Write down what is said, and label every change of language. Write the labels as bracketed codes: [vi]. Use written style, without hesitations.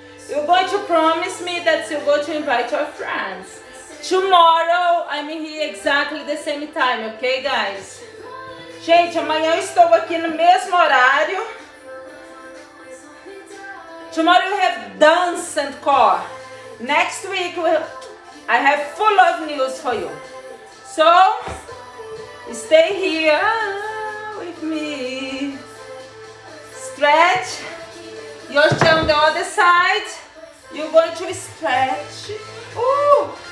[en] You're going to promise me that you're going to invite your friends. Tomorrow, I'm here exactly the same time, ok, guys? [pt] Gente, amanhã eu estou aqui no mesmo horário. [en] Tomorrow we have dance and core. Next week, I have full of news for you. So, stay here with me. Stretch. Your chair on the other side. You're going to stretch. Ooh!